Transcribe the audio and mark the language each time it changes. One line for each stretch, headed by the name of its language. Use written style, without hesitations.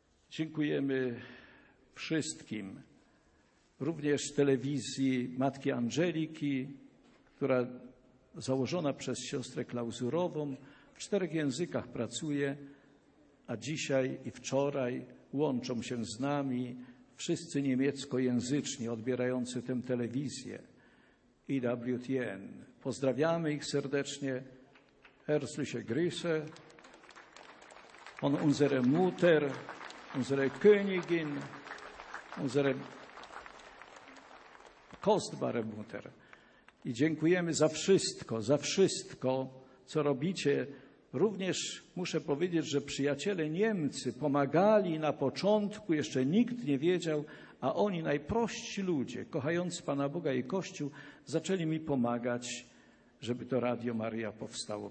Polish: Dziękujemy wszystkim, również telewizji Matki Angeliki, która założona przez siostrę Klauzurową w 4 językach pracuje, a dzisiaj i wczoraj łączą się z nami wszyscy niemieckojęzyczni odbierający tę telewizję EWTN. Pozdrawiamy ich serdecznie.
German: Herzliche Grüße von unserer Mutter, unsere Königin, unsere kostbare Mutter.
Polish: I dziękujemy za wszystko, co robicie. Również muszę powiedzieć, że przyjaciele Niemcy pomagali na początku, jeszcze nikt nie wiedział, a oni, najprości ludzie, kochając Pana Boga i Kościół, zaczęli mi pomagać, żeby to Radio Maria powstało.